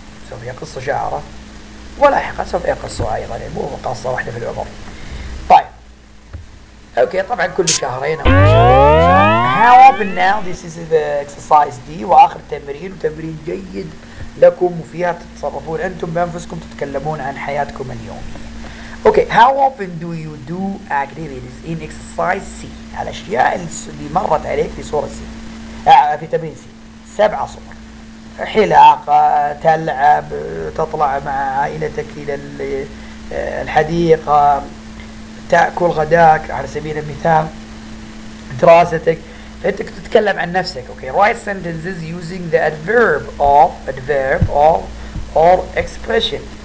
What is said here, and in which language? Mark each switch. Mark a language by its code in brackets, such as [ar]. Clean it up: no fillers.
[ar] سوف يقص شعره ولاحقا سوف يقص أيضا مو قصة واحدة في العمر. طيب. Okay. طبعا كل شهرين أو شهرين. [en] How often now? This is the exercise D. [ar] وآخر تمرين وتمرين جيد لكم وفيها تتصرفون أنتم بأنفسكم تتكلمون عن حياتكم اليوم. [en] Okay, how often do you do activities in exercise C? [ar] الأشياء اللي مرت عليك في صورة C. في تمرين C. 7 صور. حلاقة، تلعب، تطلع مع عائلتك إلى الحديقة، تأكل غداك على سبيل المثال، دراستك. أنت تتكلم عن نفسك. [en] Okay, write sentences using the adverb of or expression.